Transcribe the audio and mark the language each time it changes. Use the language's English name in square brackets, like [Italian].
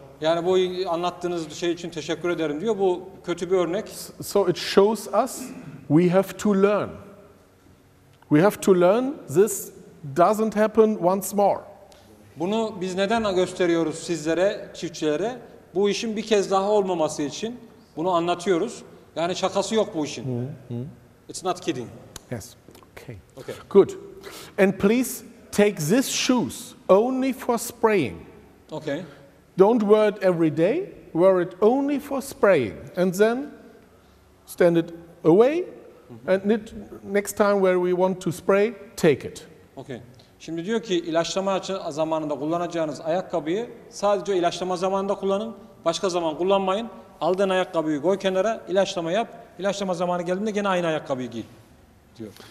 [Turkish] Yani bu anlattığınız şey için teşekkür ederim diyor. Bu kötü bir örnek. [English] So it shows us we have to learn. We have to learn this doesn't happen once more. [Turkish] Bunu biz neden gösteriyoruz sizlere, çiftçilere? Bu işin bir kez daha olmaması için bunu anlatıyoruz. Yani şakası yok bu işin. Mm-hmm. [English] It's not kidding. Yes. Okay. Okay. Good. And please take these shoes only for spraying. Okay. Don't wear it every day, wear it only for spraying. And then stand it away, mm-hmm. and next time where we want to spray, take it. Okay. [Turkish] Şimdi diyor ki ilaçlama zamanında kullanacağınız ayakkabıyı sadece ilaçlama zamanında kullanın, başka zaman kullanmayın. Aldığın ayakkabıyı koy kenara, ilaçlama yap, ilaçlama zamanı geldiğinde yine aynı ayakkabıyı giy, diyor.